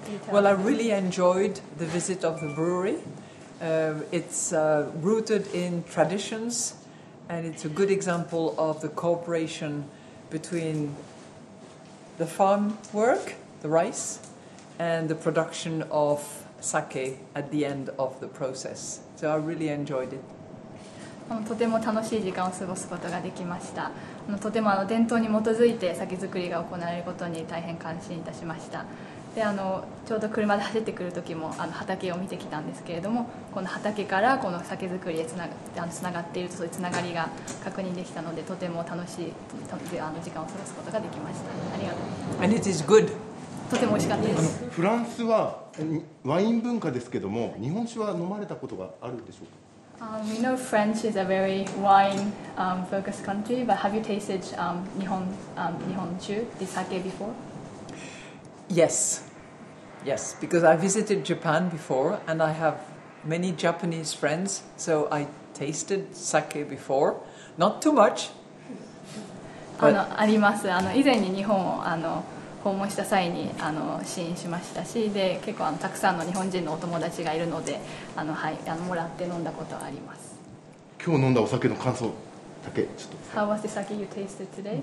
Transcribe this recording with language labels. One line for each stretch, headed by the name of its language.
English: Well, I really enjoyed the visit of the brewery. It's rooted in traditions, and it's a good example of the cooperation between the farm work, the rice, and the production of sake at the end of the process. So I really enjoyed it.
Japanese: とても楽しい時間を過ごすことができました。とても伝統に基づいて酒造りが行われることに大変感心いたしました。でちょうど車で走ってくる時も畑を見てきたんですけれども、この畑からこの酒造りへつながっているとそういうつながりが確認できたので、とても楽しい時間を過ごすことができました。ありがとうございます。
English: And it is good.
Japanese: とても美味しかったです。フランスはワイン文化ですけども、日本酒は飲まれたことがあるでしょうか？
English: We know French is a very wine-focused country, but have you tasted Nihonshu, the sake, before? Yes, because I visited Japan before, and I have many Japanese friends, so I tasted sake before. Not too much.
Japanese: ありますあの以前に日本を訪問した際に試飲しましたし、で結構たくさんの日本人のお友達がいるので、はい、もらって飲んだことはあります。今日飲んだお酒の感想だけちょっと。
English: How was the sake you tasted today?